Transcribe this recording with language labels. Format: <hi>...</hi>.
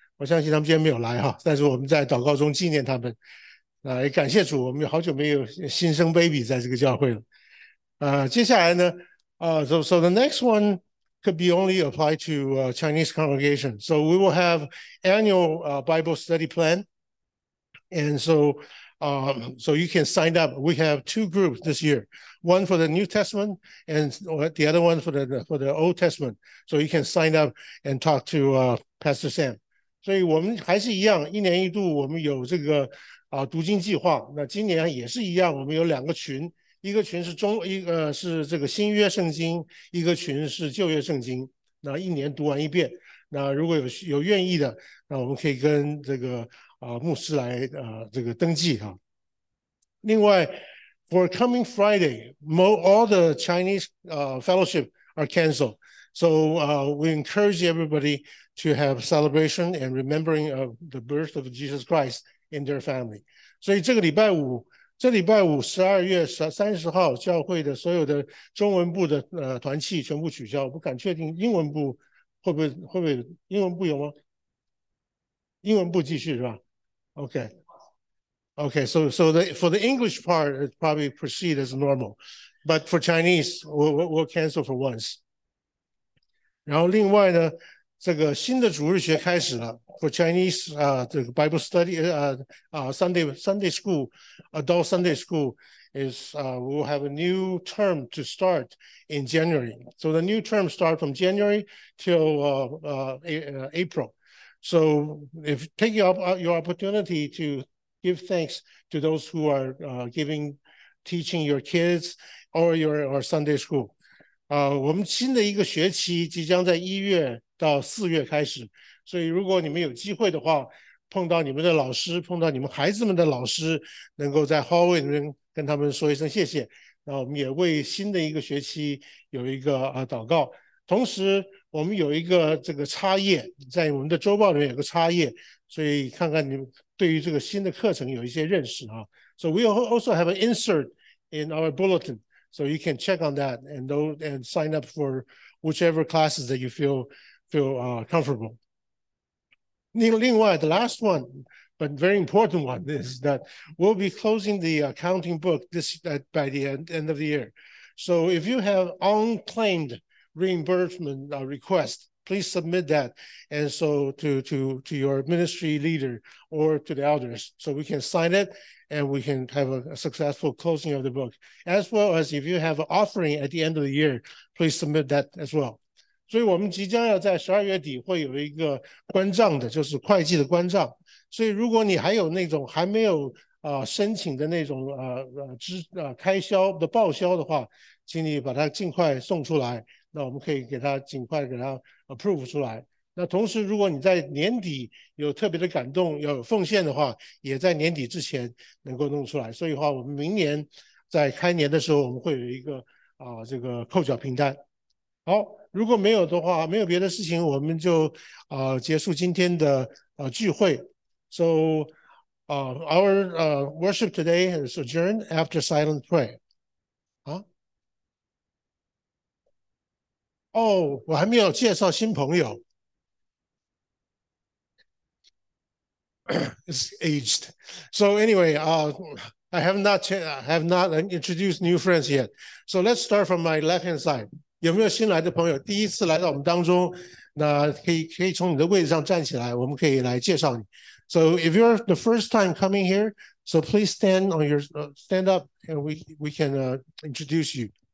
<zh>我相信他们今天没有来哈，但是我们在祷告中纪念他们。感谢主，我们好久没有新生 baby 在这个教会了。接下来呢，</zh> <en>so the next one could be only applied to Chinese congregation. So we will have annual Bible study plan, and so you can sign up. We have two groups this year, one for the New Testament and the other one for the Old Testament. So you can sign up and talk to Pastor Sam.</en> <zh>所以我们还是一样，一年一度我们有这个。读经计划，那今年也是一样，我们有两个群，一个群是一个是这个新约圣经，一个群是旧约圣经，那一年读完一遍，那如果有愿意的，那我们可以跟这个牧师来这个登记哈。另外</zh> <en>，for coming Friday, all the Chinese fellowship are canceled, so we encourage everybody to have celebration and remembering of the birth of Jesus Christ. In their family.</en> <zh>所以这礼拜五12月30号教会的所有的中文部的团契全部取消，我不敢确定英文部会不会英文部有吗？英文部继续是吧？</zh> <en>Okay, so the, for the English part it probably proceed as normal, but for Chinese we'll cancel for once.</en> <zh>然后另外呢，这个新的主日学开始了</zh> <en>，for Chinese</en> <zh>这个</zh> <en>Bible study Sunday school, adult Sunday school is we'll have a new term to start in January. So the new term start from January till April. So if take your opportunity to give thanks to those who are teaching your kids or your Sunday school.</en> <zh>我们新的一个学期即将在一月。到四月开始，所以如果你们有机会的话，碰到你们的老师，碰到你们孩子们的老师，能够在 hallway 里面跟他们说一声谢谢，那我们也为新的一个学期有一个祷告。同时我们有一个这个插页，在我们的周报里面有个插页，所以看看你们对于这个新的课程有一些认识啊。</zh> <en>So we also have an insert in our bulletin, so you can check on that and sign up forWhichever classes that you feel comfortable.</en> <zh>另外</zh> <en>the last one but very important one is that we'll be closing the accounting book by the end of the year. So if you have unclaimed reimbursement request, please submit that, and so to your ministry leader or to the elders, so we can sign it and we can have a successful closing of the book. As well as if you have an offering at the end of the year, please submit that as well.</en> <zh>所以我们即将要在12月底会有一个关账的，就是会计的关账。所以如果你还有那种还没有申请的那种开销的报销的话，请你把它尽快送出来，那我们可以给它尽快给它approve 出来。那同时如果你在年底有特别的感动要有奉献的话，也在年底之前能够弄出来。所以的话我们明年在开年的时候我们会有一个这个扣缴凭单。好，如果没有的话，没有别的事情，我们就结束今天的聚会。</zh> <en>So our worship today is adjourned after silent prayer.</en> <zh>我还没有介绍新朋友。</zh> <en>It's aged. So anyway, I have not introduced new friends yet. So let's start from my left hand side.</en> <zh>有没有新来的朋友？第一次来到我们当中，那可以从你的位置上站起来，我们可以来介绍你。</zh> <en>So if you're the first time coming here, so please stand up and we can introduce you.</en>